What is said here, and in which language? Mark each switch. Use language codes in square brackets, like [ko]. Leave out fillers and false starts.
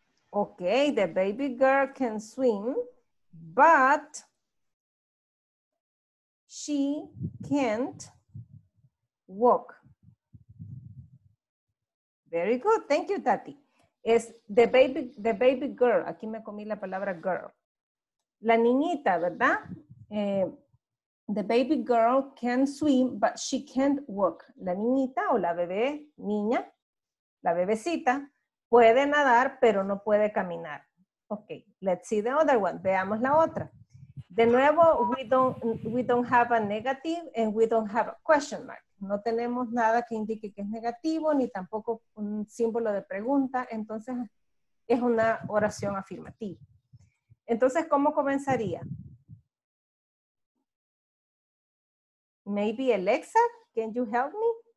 [en] Okay, the baby girl can swim, but she can't walk. Very good. Thank you, Tati. Es the baby girl. [es] Aquí me comí la palabra girl. La niñita, ¿verdad? [en] The baby girl can swim, but she can't walk. [es] La niñita o la bebé, niña, la bebecita, puede nadar, pero no puede caminar. [en] Ok, let's see the other one. [es] Veamos la otra. De nuevo, [en] we don't have a negative and we don't have a question mark. [es] No tenemos nada que indique que es negativo, ni tampoco un símbolo de pregunta. Entonces, es una oración afirmativa. Entonces, ¿cómo comenzaría? [en] Maybe Alexa, can you help me?